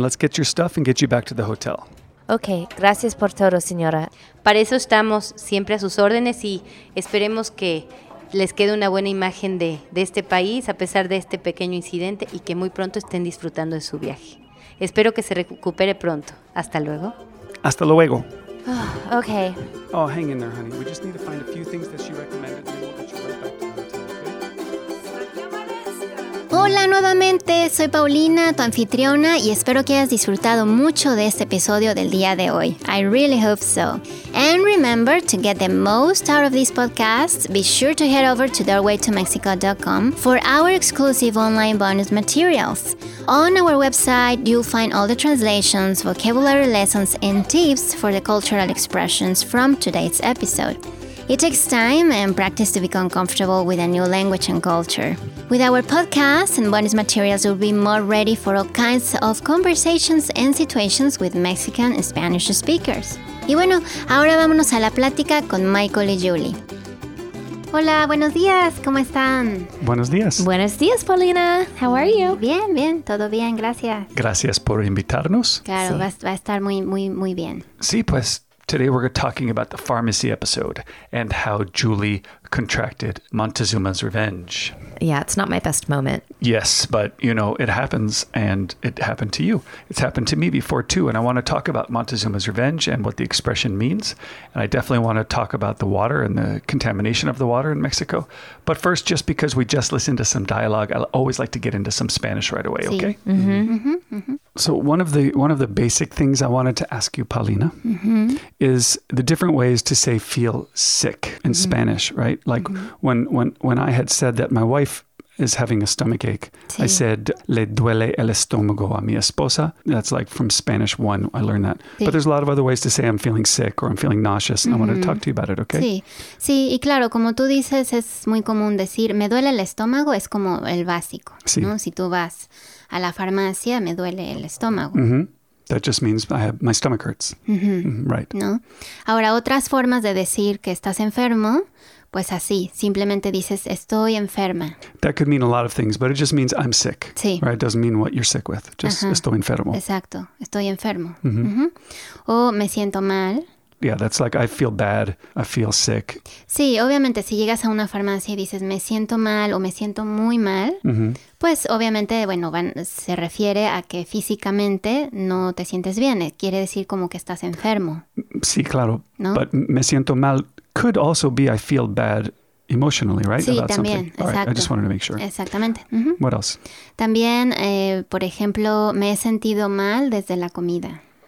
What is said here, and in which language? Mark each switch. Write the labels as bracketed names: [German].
[English] Let's get your stuff and get you back to the hotel. [Spanish] Ok, gracias por todo, señora. Para eso estamos siempre a sus órdenes y esperemos que les quede una buena imagen de este país, a pesar de este pequeño incidente, y que muy pronto estén disfrutando de su viaje. Espero que se recupere pronto. Hasta luego. Hasta luego. [English] Oh, okay. Oh, hang in there, honey. We just need to find a few things that she recommended and we'll get you right back to the hotel, okay? [Spanish] Hola nuevamente, soy Paulina, tu anfitriona, y espero que hayas disfrutado mucho de este episodio del día de hoy. [English] I really hope so. And remember, to get the most out of this podcast, be sure to head over to doorwaytomexico.com for our exclusive online bonus materials. On our website, you'll find all the translations, vocabulary lessons, and tips for the cultural expressions from today's episode. It takes time and practice to become comfortable with a new language and culture. With our podcast and bonus materials, you'll be more ready for all kinds of conversations and situations with Mexican and Spanish speakers. [Spanish] Y bueno, ahora vámonos a la plática con Michael y Julie. Hola, buenos días, ¿cómo están? Buenos días. [English] Buenos días, Paulina. How are you? [Spanish] Bien, bien, todo bien, gracias. Gracias por invitarnos. Claro, sí. Va a estar muy, muy, muy bien. Sí, pues, [English] today we're talking about the pharmacy episode and how Julie contracted Montezuma's revenge. Yeah, it's not my best moment. Yes, but, you know, it happens, and it happened to you. It's happened to me before, too, and I want to talk about Montezuma's revenge and what the expression means, and I definitely want to talk about the water and the contamination of the water in Mexico. But first, just because we just listened to some dialogue, I always like to get into some Spanish right away, [Spanish] sí. [English] Okay? Mm-hmm. Mm-hmm. Mm-hmm. So one of the basic things I wanted to ask you, Paulina, mm-hmm. is the different ways to say feel sick in mm-hmm. Spanish, right? Right? Like mm-hmm. when I had said that my wife is having a stomach ache, [Spanish] sí. [English] I said, [Spanish] le duele el estómago a mi esposa. [English] That's like from Spanish 1, I learned that. [Spanish] Sí. [English] But there's a lot of other ways to say I'm feeling sick or I'm feeling nauseous, and mm-hmm. I wanted to talk to you about it, okay? [Spanish] Sí, sí, y claro, como tú dices, es muy común decir, me duele el estómago, es como el básico, sí. ¿no? Si tú vas a la farmacia, me duele el estómago. [English] Mm-hmm. That just means my stomach hurts. Mm-hmm. Right. [Spanish] ¿No? Ahora, otras formas de decir que estás enfermo, pues así, simplemente dices, estoy enferma. [English] That could mean a lot of things, but it just means I'm sick. [Spanish] Sí. [English] Right? It doesn't mean what you're sick with. Just uh-huh. [Spanish] estoy enfermo. Exacto. Estoy enfermo. Mm-hmm. Mm-hmm. O me siento mal. [English] Yeah, that's like, I feel bad. I feel sick. [Spanish] Sí, obviamente, si llegas a una farmacia y dices, me siento mal o me siento muy mal, mm-hmm. pues obviamente, bueno, se refiere a que físicamente no te sientes bien. Quiere decir como que estás enfermo. Sí, claro. ¿No? [English] But [Spanish] me siento mal. [English] Could also be I feel bad emotionally, right? [Spanish] Sí, [English] about [Spanish] también. [English] Something. [Spanish] Exacto. [English] Right, I just wanted to make sure. [Spanish] Exactamente. Mm-hmm. [English] What else? [Spanish] También, por ejemplo, me he sentido mal desde la comida.